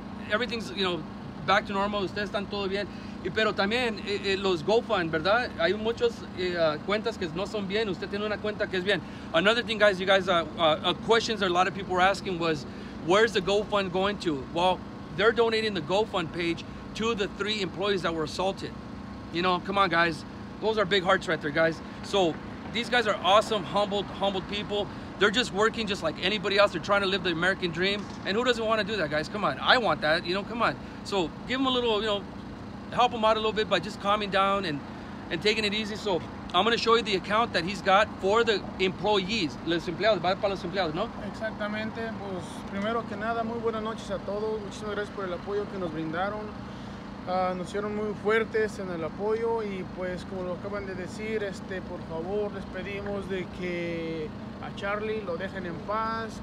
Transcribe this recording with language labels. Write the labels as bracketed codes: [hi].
[en] Everything's, you know, back to normal. [es] Ustedes están todo bien. Y pero también los GoFund, ¿verdad? Hay muchos cuentas que no son bien. Usted tiene una cuenta que es bien. [en] Another thing, guys, you guys, questions that a lot of people were asking was, where's the GoFund going to? Well, they're donating the GoFund page to the 3 employees that were assaulted. You know, come on, guys. Those are big hearts right there, guys. So these guys are awesome, humbled people. They're just working just like anybody else. They're trying to live the American dream. And who doesn't want to do that, guys? Come on. I want that. You know, come on. So give them a little, you know, help him out a little bit by just calming down and taking it easy. So I'm going to show you the account that he's got for the employees. [es] Los empleados, va para los empleados, ¿no? Exactamente. Pues primero que nada, muy buenas noches a todos. Muchísimas gracias por el apoyo que nos brindaron. Nos hicieron muy fuertes en el apoyo y pues como lo acaban de decir, por favor, les pedimos de que a Charlie lo dejen en paz.